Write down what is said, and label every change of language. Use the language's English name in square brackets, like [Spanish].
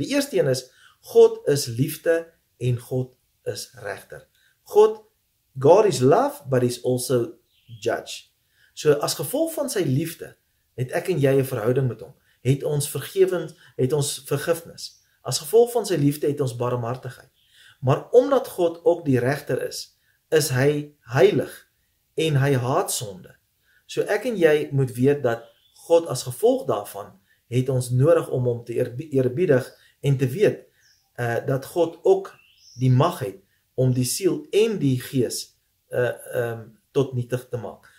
[Afrikaans] Die eerste een is, God is liefde en God is regter. [English] God is love, but he's also judge. [Afrikaans] So as gevolg van sy liefde, het ek en jy 'n verhouding met hom. Het ons vergewend, het ons vergifnis. As gevolg van sy liefde het ons barmhartigheid. Maar omdat God ook die regter is, is hy heilig en hy haat sonde. So ek en jy moet weet dat God as gevolg daarvan het ons nodig om hom te eerbiedig en te weet dat God ook die mag het om die siel en die gees tot nietig te maak.